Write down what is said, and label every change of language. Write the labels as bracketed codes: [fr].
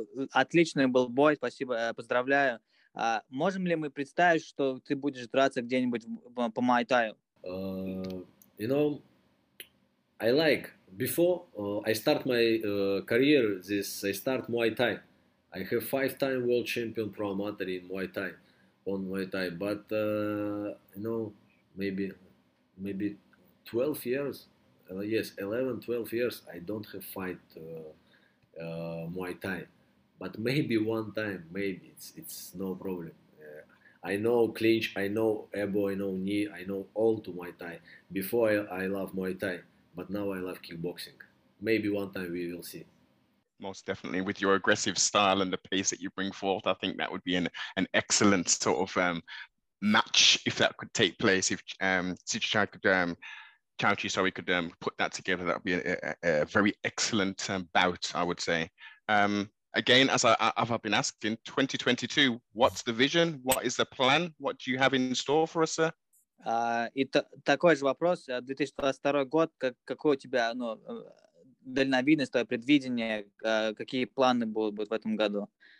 [ru] Отличный был бой, спасибо, поздравляю. Можем ли мы представить, что ты будешь драться где-нибудь по Muay Thai? [en] You know, I like, before I start my career, this I start Muay Thai. I have 5-time world champion pro amateur in Muay Thai, on Muay Thai, but, you know, maybe 12 years, 11, 12 years, I don't have fight Muay Thai. But maybe one time, maybe it's no problem. I know clinch, I know elbow, I know knee, I know all to Muay Thai. Before I love Muay Thai, but now I love kickboxing. Maybe one time we will see. Most definitely, with your aggressive style and the pace that you bring forth, I think that would be an excellent sort of match if that could take place. If Chowchi could put that together, that would be a very excellent bout, I would say. Again, as I've been asked, in 2022, what's the vision? What is the plan? What do you have in store for us, sir? [ru] И такой же вопрос. 2022 год, какой у тебя, ну, дальновидность, твое предвидение, какие планы будут в этом году?